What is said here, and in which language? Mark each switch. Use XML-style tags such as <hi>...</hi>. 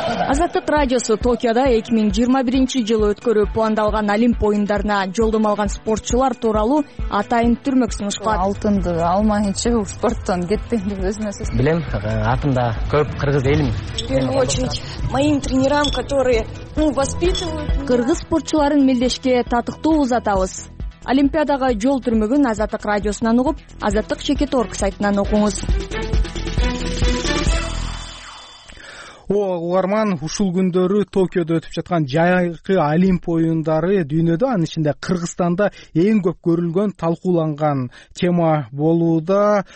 <ky>Азаттык радиосу Токиода 2021-жылы өткөрүү пландалган Олимп оюндарына жолдом алган спортчулар тууралуу атайын түрмөк сунуш кылат. Алтынды алмайынча спорттон кетпеңби өзүнө сөз. Билем, артымда көп кыргыз элим.</ky> <ru>В очередь моим тренерам, которые воспитывают.</ru> <ky>Кыргыз спортчуларын мелдешке татыктуу узатабыз. Олимпиадага жол түрмөгүн Азаттык радиосунан угуп, Азаттык чекит орг сайтынан окуңуз. Ооба, угарман, ушул күндөрү Токиодо өтүп жаткан жайкы Олимп оюндары дүйнөдө, анын ичинде Кыргызстанда эң көп көрүлгөн, талкууланган тема болууда.</ky>